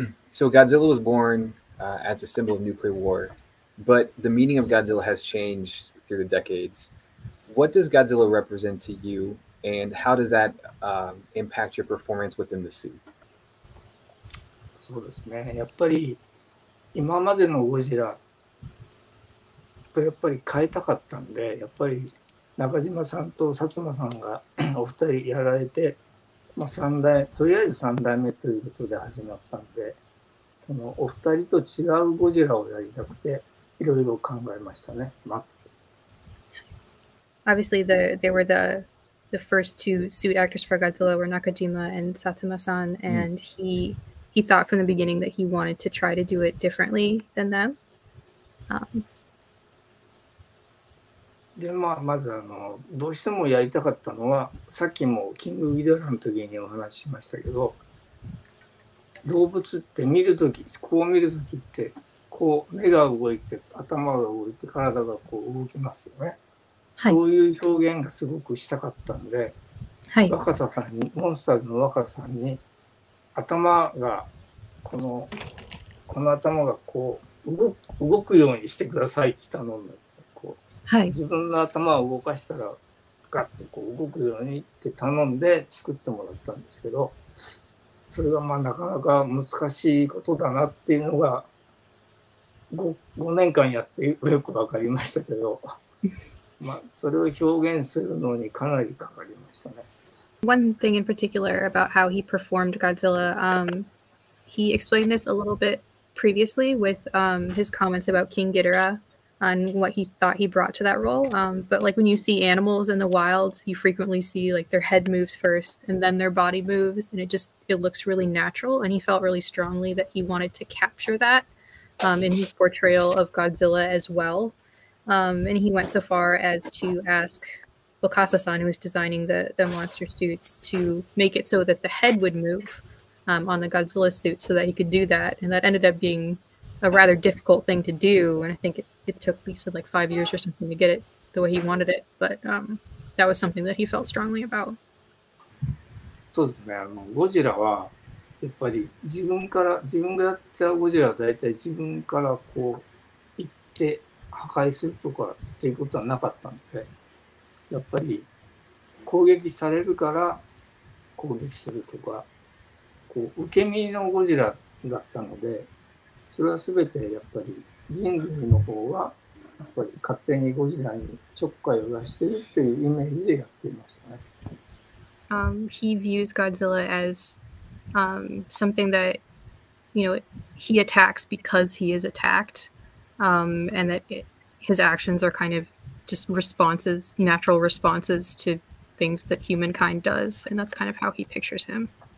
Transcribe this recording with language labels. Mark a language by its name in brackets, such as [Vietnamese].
[English] So Godzilla was born as a symbol of nuclear war, but the meaning of Godzilla has changed through the decades. What does Godzilla represent to you, and how does that impact your performance within the suit? [Japanese] そうですね。やっぱり今までのゴジラとやっぱり変えたかったんで、やっぱり中島さんと薩摩さんがお二人やられて、まあ、三代、とりあえず三代目ということで始まったんで、このお二人と違うゴジラをやりたくて、いろいろ考えましたね。 [English] Obviously, they were the first two suit actors for Godzilla were Nakajima and Satsuma-san, and he thought from the beginning that he wanted to try to do it differently than them. [Japanese] で、まあ、まずあのどうしてもやりたかったのは、さっきもキングギドラの時にお話ししましたけど、動物って見るとき、こう見るときってこう目が動いて、頭が動いて、体がこう動きますよね、はい、そういう表現がすごくしたかったんで、はい、若狭さんに、モンスターズの若さんに、頭がこの頭がこう動くようにしてくださいって頼んだ。はい、自分の頭を動かしたらガッとこう動くようにって頼んで作ってもらったんですけど、それがまあなかなか難しいことだなっていうのが 5年間やってよく分かりましたけど、まあそれを表現するのにかなりかかりましたね。 [English] One thing in particular about how he performed Godzilla, he explained this a little bit previously with his comments about King Ghidorah. On what he thought he brought to that role. But like when you see animals in the wild, you frequently see like their head moves first and then their body moves, and it looks really natural. And he felt really strongly that he wanted to capture that in his portrayal of Godzilla as well. And he went so far as to ask Wakasa-san, who was designing the monster suits, to make it so that the head would move on the Godzilla suit so that he could do that. And that ended up being a rather difficult thing to do. And I think it took, he said, like 5 years or something to get it the way he wanted it, but that was something that he felt strongly about. [Japanese] そうですね。あのゴジラはやっぱり自分がやったゴジラは大体自分からこう行って破壊するとかっていうことはなかったんで、やっぱり攻撃されるから攻撃するとか、こう受け身のゴジラだったので、それはすべてやっぱり。人類の方はやっぱり勝手にゴジラにちょっかいを出してるっていうイメージでやっていましたね。 [English] He views Godzilla as something that you know, he attacks because he is attacked, and that his actions are kind of just responses, natural responses to things that humankind does, and that's kind of how he pictures him.